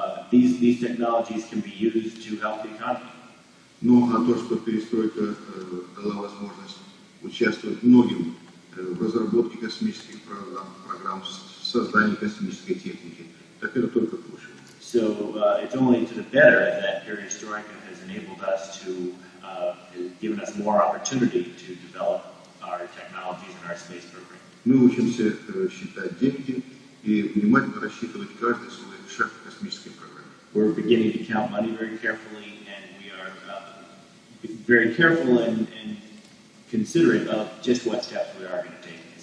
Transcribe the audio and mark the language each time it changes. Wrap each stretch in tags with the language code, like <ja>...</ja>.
<en>These technologies can be used to help the economy.</en> <ru>Но на то, что перестройка дала возможность участвовать многим в разработке космических программ, в создании космической техники, так это только лучше.</ru> <en>So it's only to the better that perestroika has enabled us to given us more opportunity to develop our technologies and our space program.</en> <ru>Мы учимся считать деньги и внимательно рассчитывать каждый свой шаг в космической программе.</ru> <en>We're beginning to count money very carefully, and we are very careful and considerate of just what steps we are going to take.</en>